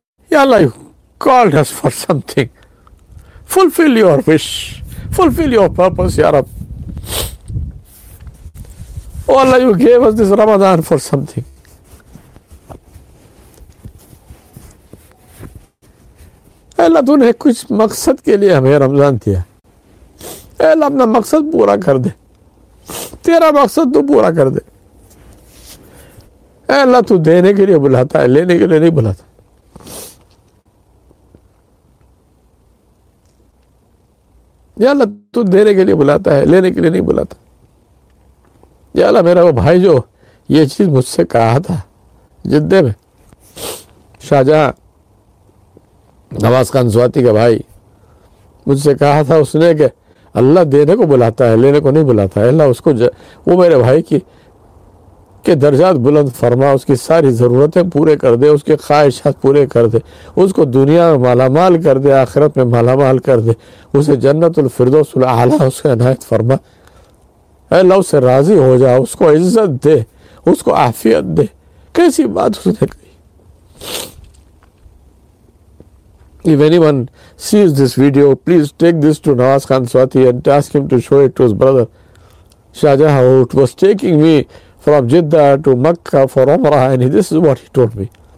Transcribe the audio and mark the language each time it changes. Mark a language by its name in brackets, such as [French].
[English] Ya Allah, you called us for something. Fulfill your wish. Fulfill your purpose, Ya Rab. Oh Allah, you gave us this Ramadan for something. [Urdu] اے اللہ تو نے کچھ مقصد کے لیے ہمیں رمضان دیا. اے اللہ اپنا مقصد پورا کر دے, تیرا مقصد تو پورا کر دے. اے اللہ تو دینے کے لیے بلاتا ہے, لینے کے لیے نہیں بلاتا. یا اللہ تو دینے کے لیے بلاتا ہے, لینے کے لیے نہیں بلاتا. یا اللہ میرا وہ بھائی جو یہ چیز مجھ سے کہا تھا جدے میں, شاہجہاں نواز خان سواتی کا بھائی, مجھ سے کہا تھا اس نے کہ اللہ دینے کو بلاتا ہے, لینے کو نہیں بلاتا. اللہ اس کو وہ میرے بھائی کے درجات بلند فرما, اس کی ساری ضرورتیں پورے کر دے, اس کے خواہشات پورے کر دے, اس کو دنیا میں مالا مال کر دے, آخرت میں مالا مال کر دے, اسے جنت الفردوس الاعلیٰ اس کو عنایت فرما. اللہ اسے راضی ہو جا, اس کو عزت دے, اس کو عافیت دے. کیسی بات اس نے کہی. [English] If anyone sees this video, please take this to Nawaz Khan Swati and ask him to show it to his brother. Shahjahan, who was taking me from Jeddah to Makkah for Umrah, and this is what he told me.